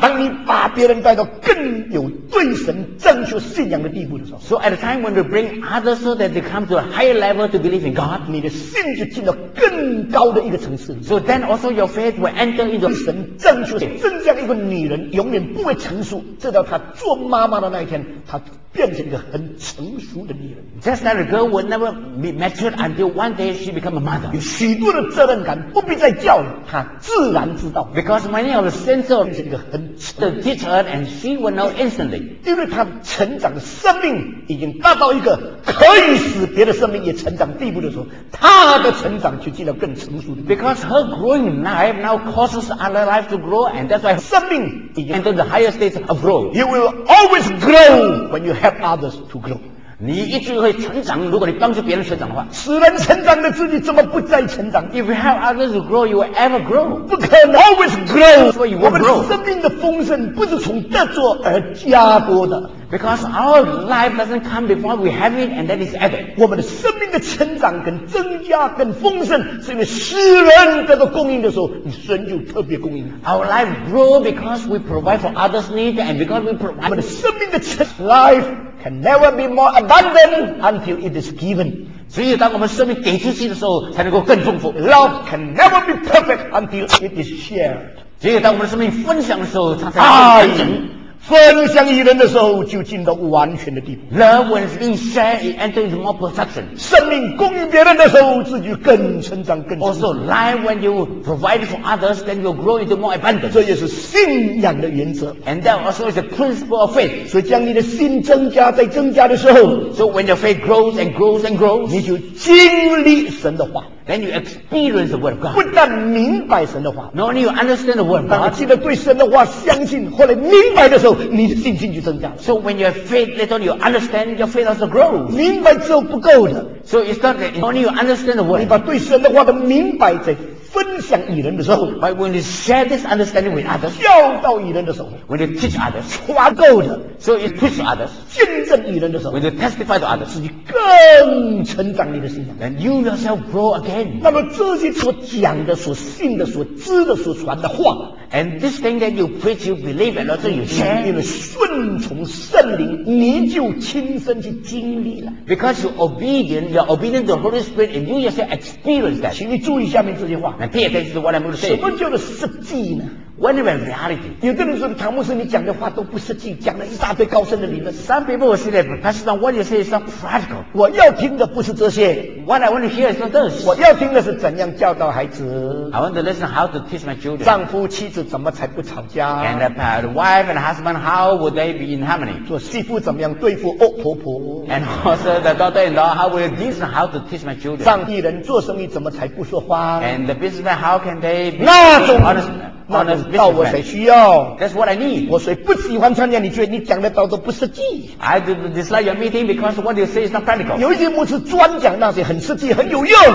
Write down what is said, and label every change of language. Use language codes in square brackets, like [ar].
[zh] 当你把别人带到更有对神正确信仰的地步的时候 [en] ，So at a time when you bring others so that they come to a higher level to believe in God， [zh] 你的信就进到更高的一个层次。 [en] So then also your faith will enter into [zh] 神正确。真这样一个女人永远不会成熟，直到她做妈妈的那一天，她。变成一个很成熟的女人。 [en] Just like a girl will never be matured until one day she become a mother. [zh] 有许多的责任感不必再叫了，她自然知道。 [en] Because many of the sense of [zh] 变成一个很 [en] the teacher and she will know instantly. [zh] 因为她成长的生命已经达到一个可以使别的生命也成长地步的时候，她的成长就进入更成熟的。 [en] Because her growing life now causes other life to grow, and that's why [zh] 生命已经 [en] enter the higher state of growth. You will always grow when you help others to grow. [zh] 你一直会成长，如果你帮助别人成长的话。使人成长的自己怎么不再成长？ [en] If you help others to grow, you will ever grow. [zh] 不可能 [en] always grow. So you will grow. [zh] 我们生命的丰盛不是从得着而加多的。 [en] Because our life doesn't come before we have it and that is added. [zh] 我们的生命的成长跟增加跟丰盛是因为使人得到供应的时候，你神就特别供应。 [en] Our life grow because we provide for others' needs and because we provide. [zh] 我们的生命的成 [en] life can never be more abundant until it is given. [zh] 只有当我们生命给出去的时候才能够更丰富。 [en] Love can never be perfect until it is shared. [zh] 只有当我们的生命分享的时候它才能更完整。分享于人的时候就进到完全的地步。 [en] Love when it's being shared, it enters more perfection. [zh] 生命供应别人的时候自己更成长更成长。 [en] Also, life when you provide for others, then you grow into more abundance. [zh] 这也是信仰的原则。 [en] And that also is the principle of faith. [zh] 所以将你的信增加在增加的时候。 [en] So when your faith grows and grows and grows, [zh] 你就经历神的话。 [en] Then you experience the word of God. [zh] 不但明白神的话。 [en] Not only you understand the word of God. [zh] 当你记得对神的话相信后来明白的时候你的信心就增加了。 [en] So when you have faith, later on you understand, your faith also grows. [zh] 明白之后不够的。 [en] So it's not that only you understand the word. [zh] 你把对神的话的明白在分享与人的时候。 [en] But when you share this understanding with others. [zh] 教导与人的时候。 [en] When you teach others. [zh] 传够的。 [en] So you teach others. [zh] 见证与人的时候。 [en] When you testify to others. [zh] 自己更成长你的信仰。 [en] Then you yourself grow again. [zh] 那么这些所讲的、所信的、所知的、所传的话。 [en] And this thing that you preach, you believe, and also you share. [zh] 因为顺从圣灵，你就亲身去经历了。 [en] Because you're obedient, you're obedient to the Holy Spirit, and you yourself experience that. [zh] 请你注意下面这句话。 [en] And pay attention to what I'm going to say. [zh] 什么叫做实际呢？ [en] What about reality? [zh] 有的人说，唐牧师，你讲的话都不实际，讲了一大堆高深的理论。 [en] Some people will say that, but that's not what you say, it's not practical. [zh] 我要听的不是这些。 [en] What I want to hear is not this. [zh] 我要听的是怎样教导孩子。 [en] I want to listen how to teach my children. [zh] 丈夫妻子怎么才不吵架。 [en] And about wife and husband, how would they be in harmony? [zh] 做媳妇怎么样对付恶婆婆。 [en] And also the daughter-in-law, how will this and how to teach my children? [zh] 上帝人做生意怎么才不说话。 [en] And the businessman, how can they be [zh] 那种 honest? 那道我谁需要 [en] That's what I need [zh] 我谁不喜欢参加你觉得你讲的道都不实际 [en] I dislike your meeting because what you say is not practical [zh] 有一些牧师专讲那些很实际很有用